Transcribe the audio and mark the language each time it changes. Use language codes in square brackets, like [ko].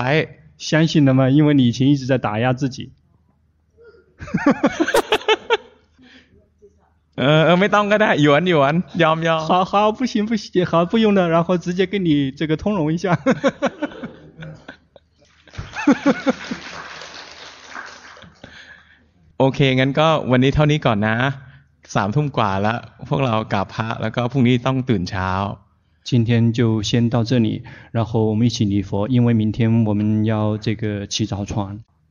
[zh] 相信了吗因为你以前一直在打压自己 [th] ไม่ต้องก็ได้หยวนหยวนยอมยอม [zh] 好好不行不行好不用了然后直接跟你这个通融一下 [th] โอเคงั้นก็วันนี้เท่านี้ก่อนนะ3 ทุ่มกว่าแล้วพวกเรากราบพระแล้วก็พรุ่งนี้ต้องตื่นเช้า [zh] 今天就先到这里，然后我们一起礼佛，因为明天我们要这个起早床。